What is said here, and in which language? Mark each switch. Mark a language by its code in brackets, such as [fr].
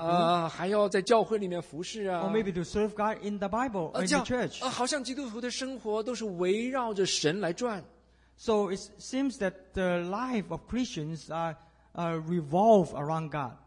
[zh] 啊，还要在教会里面服侍啊 [en] ，or maybe to serve God in the Bible or in the church [zh] 啊，好像基督徒的生活都是围绕着神来转 [en] ，so it seems that the life of Christians are revolve around God。